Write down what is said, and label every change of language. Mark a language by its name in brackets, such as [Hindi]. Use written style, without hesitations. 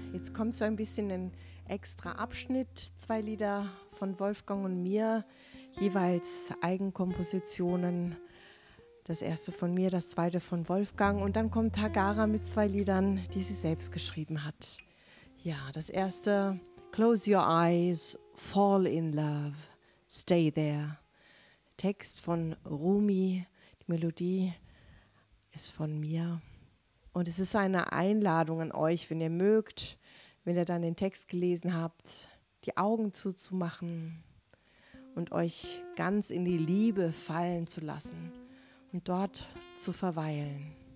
[German] Jetzt kommt so ein bisschen ein extra Abschnitt. Zwei Lieder von Wolfgang und mir, jeweils Eigenkompositionen. Das erste von mir, das zweite von Wolfgang. Und dann kommt Tagara mit zwei Liedern, die sie selbst geschrieben hat. Ja, das erste [English] Close your eyes, fall in love, stay there. [German] Text von Rumi, die Melodie ist von mir. Und es ist eine Einladung an euch, wenn ihr mögt, wenn ihr dann den Text gelesen habt, die Augen zuzumachen und euch ganz in die Liebe fallen zu lassen und dort zu verweilen.